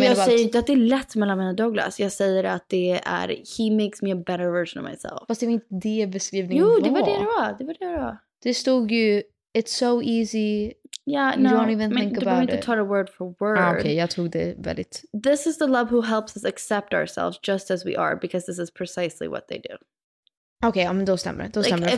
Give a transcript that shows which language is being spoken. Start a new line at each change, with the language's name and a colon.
Swedish: jag menar säger inte att det är lätt mellan mig och Douglas. Jag säger att det är,
English: he makes me a better version of myself.
Swedish: Fast det var inte det beskrivningen var. Jo, det var det det var. Det var det det var. Det stod ju,
English: it's so easy. Yeah, no, you don't even think about it.
Swedish: Du behöver inte ta word for word. Ah, okej, jag tog det väldigt.
English: This is the love who helps us accept ourselves just as we are, because this is precisely what they do.
Swedish: Okej, okay, ja, men då stämmer det. Då stämmer det,